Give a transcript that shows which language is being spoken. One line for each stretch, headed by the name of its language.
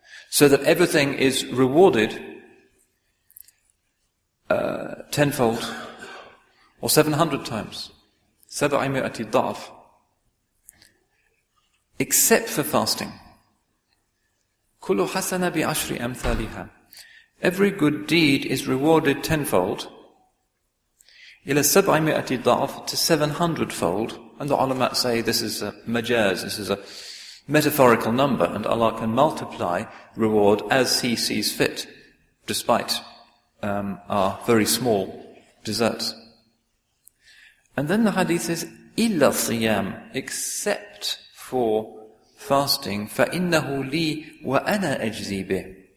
English: So that everything is rewarded tenfold or 700 times.
Arabic: سَبْعِمِئَةِ ضَعْف.
English: Except for fasting.
Arabic: كُلُّ حَسَنَ بِعَشْرِ أَمْثَالِهَا.
English: Every good deed is rewarded tenfold.
Arabic: إِلَى سَبْعِمِئَةِ ضَعْف,
English: to 700-fold. And the ulama say this is a majaz, this is a metaphorical number, and Allah can multiply reward as He sees fit, despite our very small deserts. And then the hadith says,
Arabic: إِلَّا صِيَامُ,
English: except for fasting,
Arabic: فَإِنَّهُ لِي وَأَنَا أَجْزِي بِهِ.